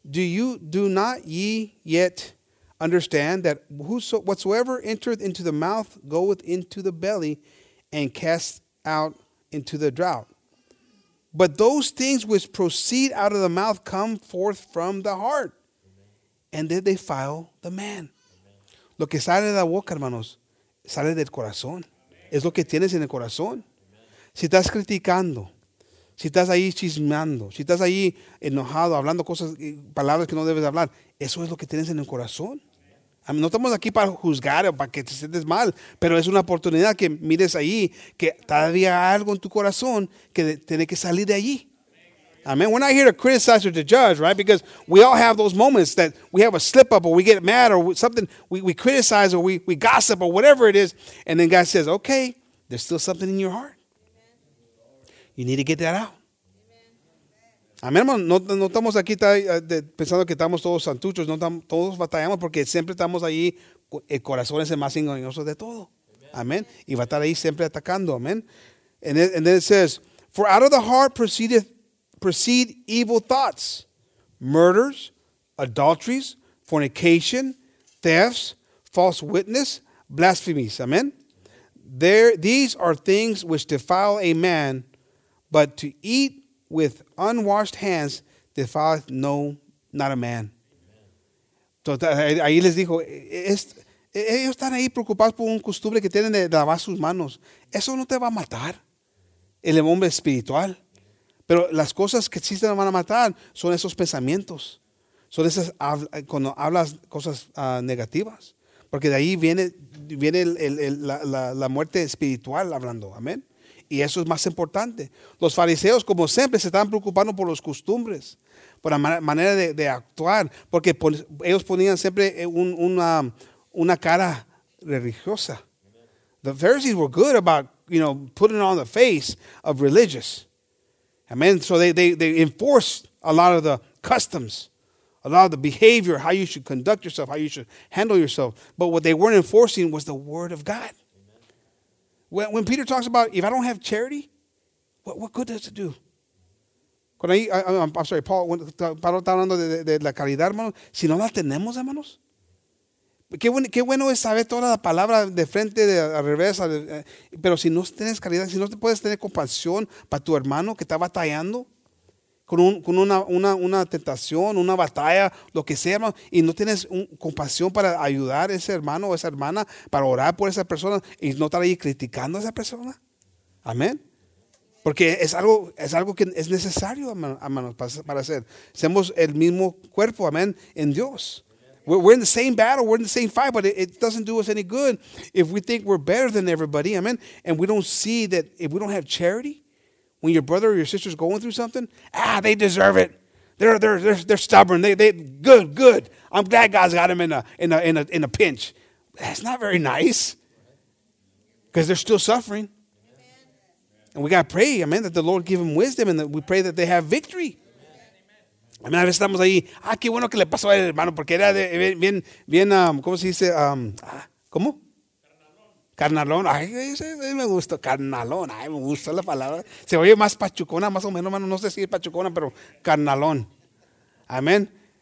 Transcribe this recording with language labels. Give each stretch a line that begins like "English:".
English: Do not ye yet understand that whatsoever entereth into the mouth goeth into the belly and cast out into the drought? But those things which proceed out of the mouth come forth from the heart, and then they defile the man.
Spanish: Lo que sale de la boca, hermanos, sale del corazón. Es lo que tienes en el corazón. Si estás criticando, si estás ahí chismeando, si estás ahí enojado, hablando cosas, palabras que no debes hablar, eso es lo que tienes en el corazón. No estamos aquí para juzgar o para que te sientes mal, pero es una oportunidad que mires ahí que todavía hay algo en tu corazón que tiene que salir de allí. Amen.
English: We're not here to criticize or to judge, right? Because we all have those moments that we have a slip up or we get mad or something. We criticize or we gossip or whatever it is. And then God says, okay, there's still something in your heart. You need to get that out.
Spanish: Amén, hermano, no estamos aquí pensando que estamos todos santuchos, no estamos, todos batallamos porque siempre estamos ahí, el corazón es el más engañoso de todo. Amén. Y va a estar ahí siempre atacando, amén.
English: And then it says, for out of the heart proceed evil thoughts, murders, adulteries, fornication, thefts, false witness, blasphemies. Amén. These are things which defile a man, but to eat with unwashed hands defileth no, not a man.
Spanish: Ahí les dijo, ellos están ahí preocupados por un costumbre que tienen de lavar sus manos. Eso no te va a matar, el hombre espiritual. Pero las cosas que sí te van a matar son esos pensamientos. Son esas, cuando hablas cosas negativas. Porque de ahí viene la muerte espiritual hablando, amén. Y eso es más importante. Los fariseos, como siempre, se estaban preocupando por las costumbres, por la manera de actuar, porque ellos ponían siempre una cara religiosa.
English: The Pharisees were good about, you know, putting on the face of religious. Amen. So they enforced a lot of the customs, a lot of the behavior, how you should conduct yourself, how you should handle yourself. But what they weren't enforcing was the word of God. When Peter talks about, if I don't have charity, what good does it do?
Spanish: Paul está hablando de la caridad, hermanos. Si no la tenemos, hermanos. Qué bueno es saber toda la palabra de frente, al revés. Pero si no tienes caridad, si no te puedes tener compasión para tu hermano que está batallando con una tentación, una batalla, lo que sea, hermano, y no tienes compasión para ayudar a ese hermano o esa hermana, para orar por esa persona y no estar ahí criticando a esa persona. Amén. Porque es algo que es necesario, hermanos, para hacer. Somos el mismo cuerpo, amén, en Dios.
English: We're in the same battle, we're in the same fight, but it doesn't do us any good if we think we're better than everybody, amén. And we don't see that, if we don't have charity, when your brother or your sister's going through something, they deserve it. They're stubborn. They good. I'm glad God's got them in a pinch. That's not very nice, because they're still suffering. Amen. And we gotta pray, amen, that the Lord give them wisdom, and that we pray that they have victory.
Spanish: Amen. Amen. A veces estamos ahí. Qué bueno que le pasó a él, hermano, porque era de, bien ¿cómo se dice? ¿Cómo? Carnalón, me gusta, carnalón, me gusta la palabra. Se oye más pachucona, más o menos, hermano, no sé si es pachucona, pero carnalón. Amén.